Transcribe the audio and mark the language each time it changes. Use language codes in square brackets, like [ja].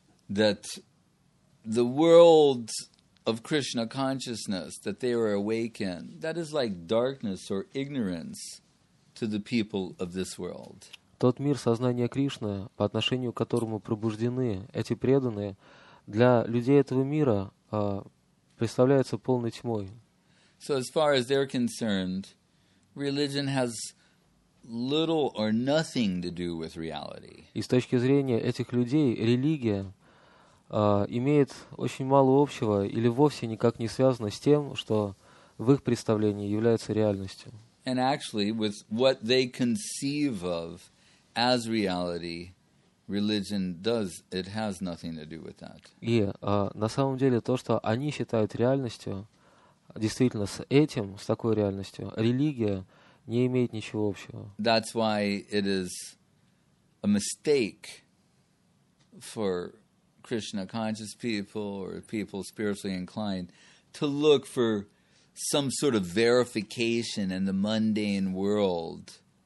[en] That the world of Krishna consciousness that they are awake in, that is like darkness or ignorance to the people of this world. [ru] Тот мир сознания Кришны, по отношению к которому пробуждены эти преданные, для людей этого мира представляется полной тьмой. [en] So as far as they're concerned, religion has little or nothing to do with reality. [ru] И с точки зрения этих людей, религия имеет очень мало общего или вовсе никак не связана с тем, что в их представлении является реальностью. [en] And actually, with what they conceive of as reality, religion does, it has nothing to do with that. [ru] И на самом деле то, что они считают реальностью, действительно с этим, с такой реальностью, религия не имеет ничего общего. [en] That's why it is a mistake for Krishna conscious people or people spiritually inclined to look for some sort of verification in the mundane world.